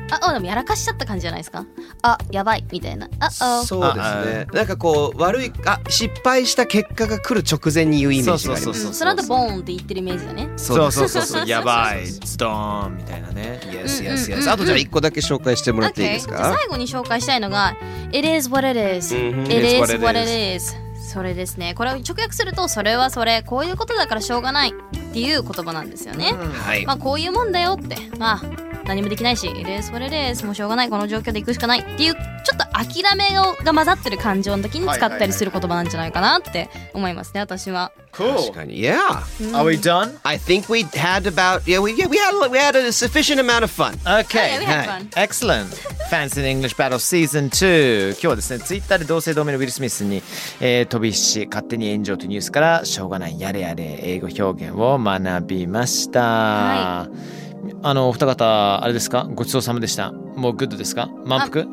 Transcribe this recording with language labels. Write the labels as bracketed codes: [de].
[ja] あおーでもやらかしちゃった感じじゃないですか。あやばいみたいな。あおーそうですね。なんかこう悪い、あ失敗した結果が来る直前に言うイメージがあります。うそうそうそう、うん、その後ボーンって言ってるイメージだね。そうそうそうそうやばいドーンみたいなね。 [en] Yes yes yes。 [ja] あとじゃあ1個だけ紹介してもらっていいですか、 [en] okay。 [ja] 最後に紹介したいのが [en] It is what it is、 mm-hmm. It is what it is。 [ja] それですね。これを直訳するとそれはそれ、こういうことだからしょうがないっていう言葉なんですよね、 mm-hmm. まあこういうもんだよって、まあ何もできないし [en] It is what it is、 [ja] もうしょうがないこの状況で行くしかないっていう、ちょっと諦めが混ざってる感情の時に使ったりする言葉なんじゃないかなって思いますね、私は。 [en] Cool. [ja] 確かに [en] Yeah、mm. Are we done? I think we had about Yeah, we had a sufficient amount of fun. Okay, yeah, we had fun. Excellent. Fancy in English Battle Season 2。 [ja] 今日はですね、 Twitter で同姓同名のウィル・スミスに、飛び石勝手に炎上というニュースから、しょうがないやれやれ英語表現を学びました。はい、あのお二方あれですか、ごちそうさまでした。もうグッドですか、満腹。